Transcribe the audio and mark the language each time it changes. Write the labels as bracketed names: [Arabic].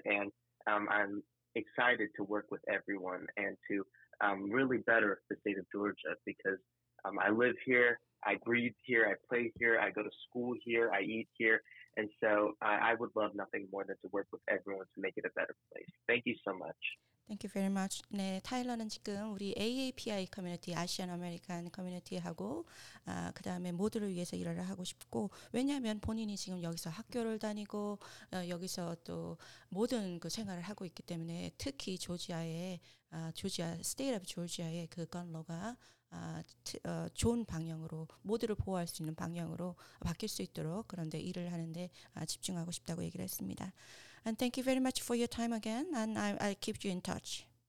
[English] And I'm excited to work with everyone and to really better the state of Georgia, because I live here, I breathe here, I play here, I go to school here, I eat here. And so I would love nothing more than to work with everyone to make it a better place. Thank you so much. Thank you very much. [Korean] 네, 타일러는 지금 우리 AAPI 커뮤니티, 아시안 아메리칸 커뮤니티하고 그 다음에 모두를 위해서 일을 하고 싶고, 왜냐하면 본인이 지금 여기서 학교를 다니고 여기서 또 모든 그 생활을 하고 있기 때문에 특히 조지아의 조지아 스테이트 오브 조지아의 그 건로가 좋은 방향으로 모두를 보호할 수 있는 방향으로 바뀔 수 있도록 그런데 일을 하는데 집중하고 싶다고 얘기를 했습니다. [English] And thank you very much for your time again, and I'll keep you in touch.